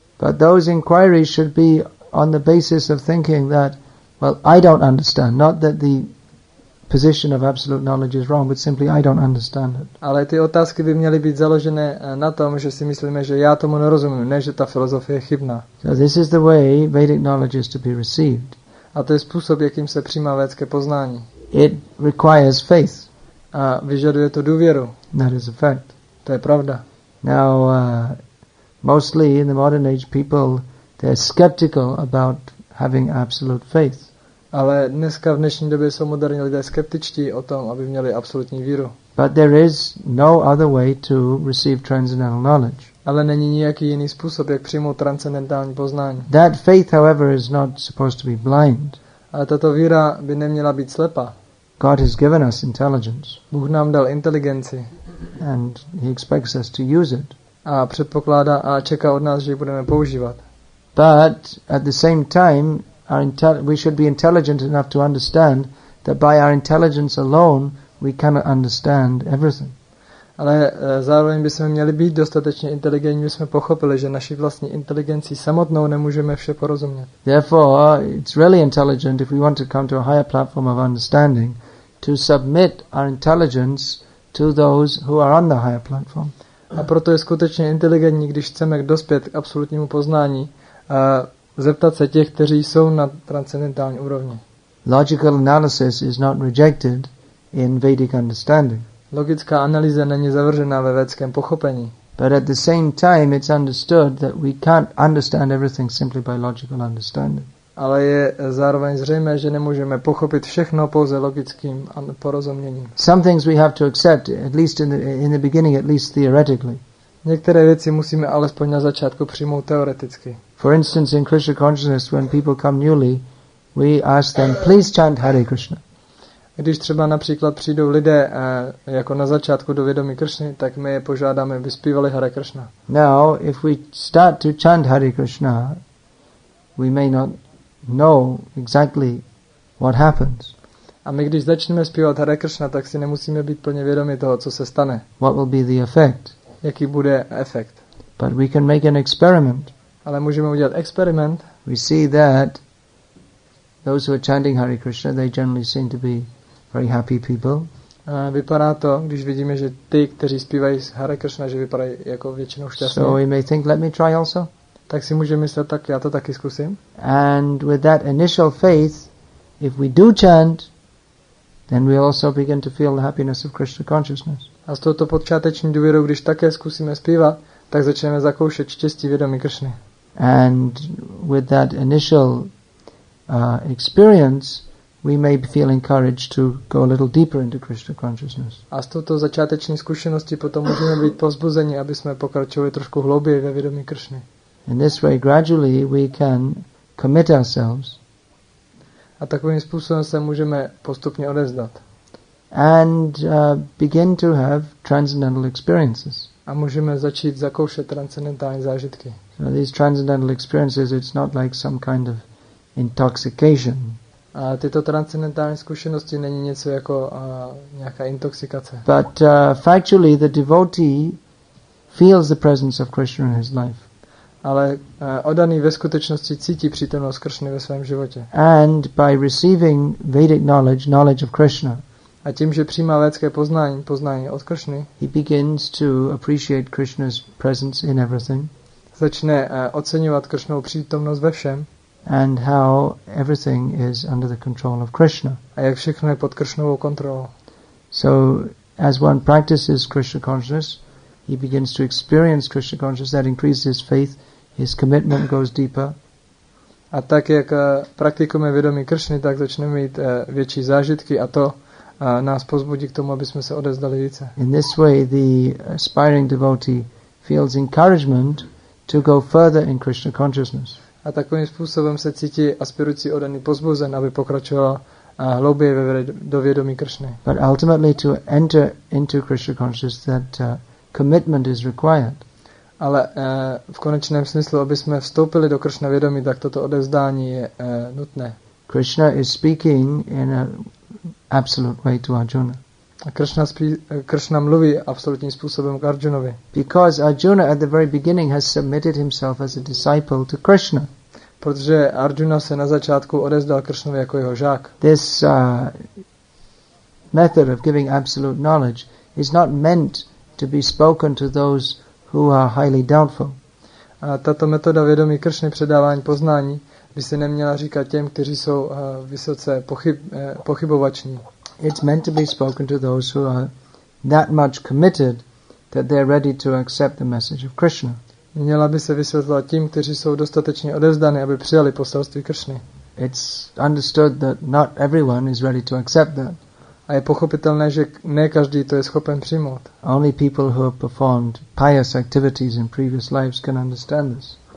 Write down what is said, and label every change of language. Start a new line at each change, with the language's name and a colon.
English: But those inquiries should be on the basis of thinking that, well, I don't understand, not that the position of absolute knowledge is wrong, but simply I don't understand it.
Czech: Ale ty otázky by měly být založené na tom, že si myslíme, že já tomu nerozumím, ne že ta filozofie je chybná.
English: So this is the way Vedic knowledge is to be received.
Czech: A to je způsob, jakým se přijímá vědecké poznání.
English: It requires faith.
Czech: A vyžaduje to důvěru.
English: That is a fact.
Czech: To je pravda.
English: Now, mostly in the modern age, people, they're skeptical about having absolute faith.
Czech: Ale dneska v dnešní době jsou moderní lidé skeptičtí o tom, aby měli absolutní víru.
English: But there is no other way to receive transcendental knowledge.
Czech: Ale není nějaký jiný způsob, jak přijmout transcendentální poznání.
English: That faith, however, is not supposed to be blind.
Czech: Ale tato víra by neměla být slepá.
English: God has given us intelligence.
Czech: Bůh nám dal inteligenci.
English: And he expects us to use it.
Czech: A předpokládá a čeká od nás, že ji budeme používat.
English: But at the same time, we should be intelligent enough to understand that by our intelligence alone we cannot understand everything.
Czech: Ale zároveň bychom měli být dostatečně inteligentní, aby jsme pochopili, že naší vlastní inteligencí samotnou nemůžeme vše porozumět.
English: Therefore, it's really intelligent if we want to come to a higher platform of understanding to submit our intelligence to those who are on the higher platform.
Czech: A proto je skutečně inteligentní, když chceme dospět k absolutnímu poznání, zeptat se těch, kteří jsou na transcendentální úrovni.
English: Logical analysis is not rejected in Vedic understanding.
Czech: Logická analýza není zavržena ve vědeckém pochopení.
English: But at the same time it's understood that we can't understand everything simply by logical understanding.
Czech: Ale je zároveň zřejmé, že nemůžeme pochopit všechno pouze logickým porozuměním.
English: Some things we have to accept at least in the beginning, at least theoretically.
Czech: Některé věci musíme alespoň na začátku přijmout teoreticky.
English: For instance, in Krishna consciousness, when people come newly, we ask them, please chant Hare Krishna.
Czech: Když třeba například přijdou lidé jako na začátku do vědomí Krishny, tak my je požádáme, aby zpívali Hare Krishna.
English: Now, if we start to chant Hare Krishna, we may not know exactly what happens.
Czech: A my když začneme zpívat Hare Krishna, tak si nemusíme být plně vědomi toho, co se stane.
English: What will be the effect?
Czech: Jaký bude efekt?
English: But we can make an experiment.
Czech: Ale můžeme udělat experiment.
English: We see that those who are chanting Hare Krishna, they generally seem to be very happy people.
Czech: Vypadá to, když vidíme, že ty, kteří zpívají Hare Krishna, že vypadají jako většinou šťastní.
English: So we may think, let me try also.
Czech: Tak si můžeme myslet, tak já to taky zkusím.
English: And with that initial faith, if we do chant, then we also begin to feel the happiness of Krishna consciousness.
Czech: A s touto počáteční důvěrou, když také zkusíme zpívat, tak začneme zakoušet štěstí vědomí Krishny.
English: And with that initial experience, we may feel encouraged to go a little deeper into Krishna consciousness.
Czech: A s touto začáteční zkušeností potom můžeme být povzbuzeni, aby jsme pokračovali trošku hlouběji ve vědomí Krishny.
English: In this way, gradually we can commit ourselves.
Czech: A takovým způsobem se můžeme postupně odevzdat.
English: And begin to have transcendental experiences.
Czech: A můžeme začít zakoušet transcendentální zážitky.
English: So these transcendental experiences, it's not like some kind of intoxication.
Czech: A tyto transcendentální zkušenosti není něco jako nějaká intoxikace.
English: But factually, the devotee feels the presence of Krishna in his life.
Czech: Ale oddaný ve skutečnosti cítí přítomnost Krishny ve svém životě.
English: And by receiving Vedic knowledge, knowledge of Krishna.
Czech: A tím, že přijímá vědecké poznání, poznání od Krishny,
English: he begins to appreciate Krishna's presence in everything.
Czech: Začne oceňovat Krishnovu přítomnost ve všem.
English: And how everything is under the control of Krishna.
Czech: A jak všechno je pod Krishnovou kontrolou.
English: So as one practices Krishna consciousness, he begins to experience Krishna consciousness, that increases his faith, his commitment goes deeper.
Czech: A tak jak praktikujeme vědomí Krishny, tak začneme mít větší zážitky a to nás pozbudí k tomu, aby jsme se odevzdali více.
English: In this way, the aspiring devotee feels encouragement to go further in Krishna consciousness.
Czech: A takovým způsobem se cítí aspirující oddaný pozbuzen, aby pokračoval hlouběji do vědomí Krishny.
English: But ultimately to enter into Krishna consciousness, that commitment is required.
Czech: Ale v konečném smyslu, aby jsme vstoupili do Krishna vědomí, tak toto odevzdání je nutné.
English: Krishna is speaking in an absolute way to Arjuna.
Czech: A Krishna mluví absolutním způsobem k Arjunovi.
English: Because Arjuna at the very beginning has submitted himself as a disciple to Krishna.
Czech: Protože Arjuna se na začátku odevzdal Krishnovi jako jeho žák.
English: This method of giving absolute knowledge is not meant to be spoken to those who are highly doubtful.
Czech: A tato metoda vědomí Krishny předávání poznání by se neměla říkat těm, kteří jsou vysoce pochybovační.
English: It's meant to be spoken to those who are that much committed that they're ready to accept the message of Krishna.
Czech: Měla by se vysvětlovat tím, kteří jsou dostatečně odevzdaní, aby přijali poselství Krishny.
English: It's understood that not everyone is ready to accept that.
Czech: A je pochopitelné, že ne každý to je schopen přijmout.
English: Only people who have performed pious activities in previous lives can understand this.